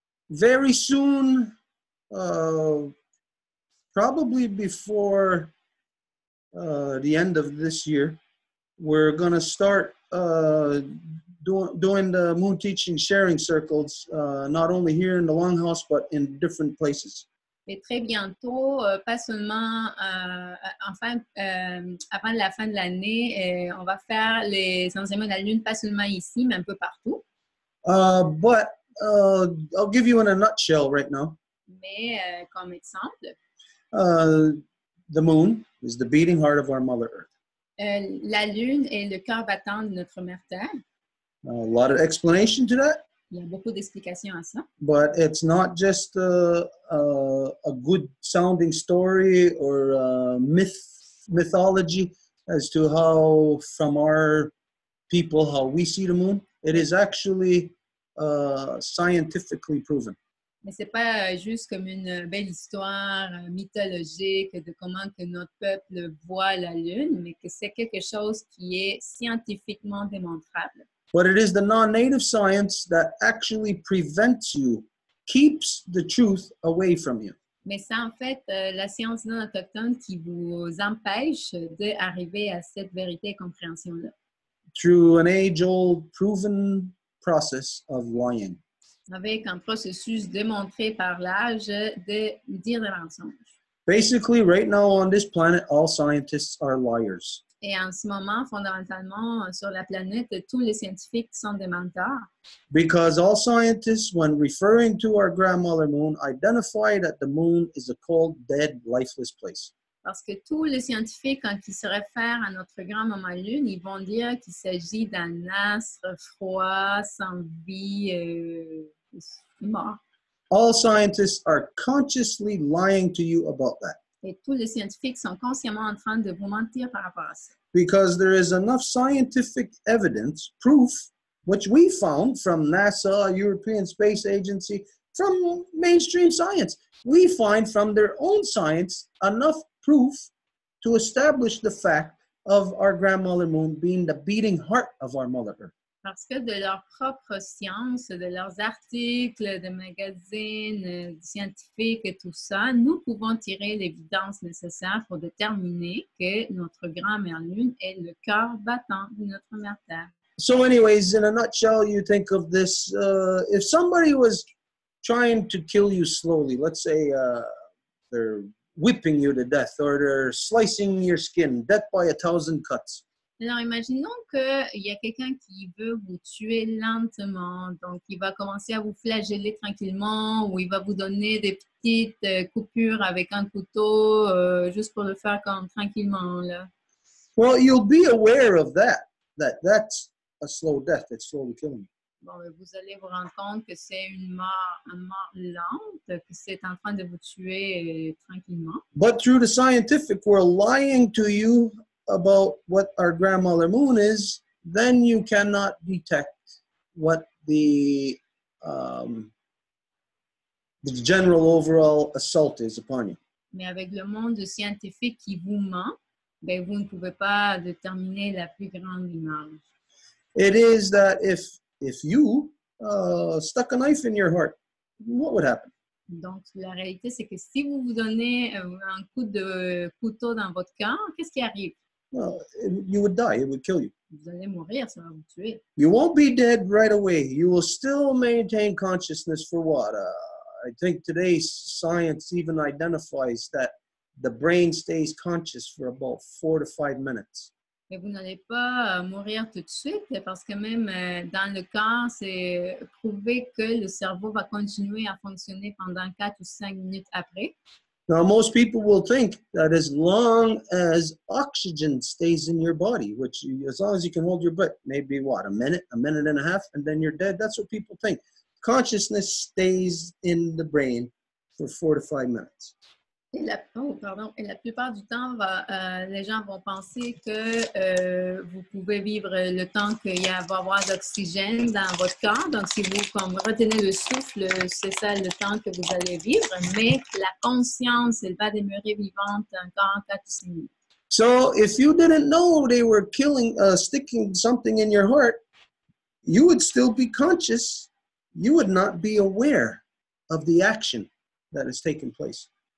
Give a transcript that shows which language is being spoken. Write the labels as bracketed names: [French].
[English] Very soon, probably before the end of this year, we're going to start doing the moon teaching sharing circles, not only here in the Longhouse, but in different places. [French] Et très bientôt, pas seulement, avant la fin de l'année, on va faire les enseignements de la Lune, pas seulement ici, mais un peu partout. [English] But I'll give you in a nutshell right now. [French] Mais comme exemple. [English] The moon is the beating heart of our Mother Earth. [French] La lune est le cœur battant de notre mère Terre. [English] A lot of explanation to that. [French] Il y a beaucoup d'explications à ça. [English] But it's not just a good sounding story or a mythology as to how from our people how we see the moon. It is actually scientifically proven. [French] Mais c'est pas juste comme une belle histoire mythologique de comment que notre peuple voit la lune, mais que c'est quelque chose qui est scientifiquement démontrable. [English] But it is the non-native science that actually prevents you, keeps the truth away from you. [French] Mais c'est en fait la science non autochtone qui vous empêche d'arriver à cette vérité et compréhension-là. [English] Through an age-old proven process of lying. [French] Avec un processus démontré par l'âge de dire des mensonges. [English] Basically, right now on this planet, all scientists are liars. [French] Et en ce moment, fondamentalement, sur la planète, tous les scientifiques sont des menteurs. [English] Because all scientists, when referring to our grandmother moon, identify that the moon is a cold, dead, lifeless place. [French] Parce que tous les scientifiques, quand ils se réfèrent à notre grand-maman Lune, ils vont dire qu'il s'agit d'un astre froid, sans vie, mort. [English] All scientists are consciously lying to you about that. [French] Et tous les scientifiques sont consciemment en train de vous mentir par rapport à ça. [English] Because there is enough scientific evidence, proof, which we found from NASA, European Space Agency, from mainstream science. We find from their own science enough proof to establish the fact of our grandmother moon being the beating heart of our mother earth. [French] Parce que de leur propre science, de leurs articles, de magazines, scientifiques et tout ça, nous pouvons tirer l'évidence nécessaire pour déterminer que notre grand-mère lune est le cœur battant de notre mère terre. [English] So anyways, in a nutshell, you think of this, if somebody was trying to kill you slowly, let's say they're whipping you to death, or they're slicing your skin, death by a thousand cuts. [French] Alors, imaginons qu'il y a quelqu'un qui veut vous tuer lentement, donc il va commencer à vous flageller tranquillement, ou il va vous donner des petites coupures avec un couteau, juste pour le faire comme tranquillement, là. [English] Well, you'll be aware of that, that that's a slow death, it's slowly killing you. [French] Bon, vous allez vous rendre compte que c'est une mort lente, que c'est en train de vous tuer tranquillement. [English] But through the scientific world, lying to you about what our grandmother moon is, then you cannot detect what the general overall assault is upon you. [French] Mais avec le monde scientifique qui vous ment, ben vous ne pouvez pas déterminer la plus grande image. [English] It is that if you stuck a knife in your heart, what would happen? [French] Donc, la réalité, c'est que si vous vous donnez un coup de couteau dans votre corps, qu'est-ce qui arrive? [English] Well, you would die. It would kill you. [French] Vous allez mourir, ça va vous tuer. [English] You won't be dead right away. You will still maintain consciousness for what? I think today's science even identifies that the brain stays conscious for about 4 to 5 minutes. [French] Et vous n'allez pas mourir tout de suite parce que même dans le corps, c'est prouvé que le cerveau va continuer à fonctionner pendant 4 ou 5 minutes après. [English] Now, most people will think that as long as oxygen stays in your body, which as long as you can hold your breath, maybe what, a minute and a half, and then you're dead. That's what people think. consciousness stays in the brain for 4 to 5 minutes. [French] Et la plupart du temps, les gens vont penser que vous pouvez vivre le temps qu'il y a à avoir d'oxygène dans votre corps. Donc, si vous comme, retenez le souffle, c'est ça le temps que vous allez vivre. Mais la conscience, elle va demeurer vivante encore 4 minutes. [English] So, if you didn't know they were killing, sticking something in your heart, you would still be conscious. You would not be aware of the action that has taken place.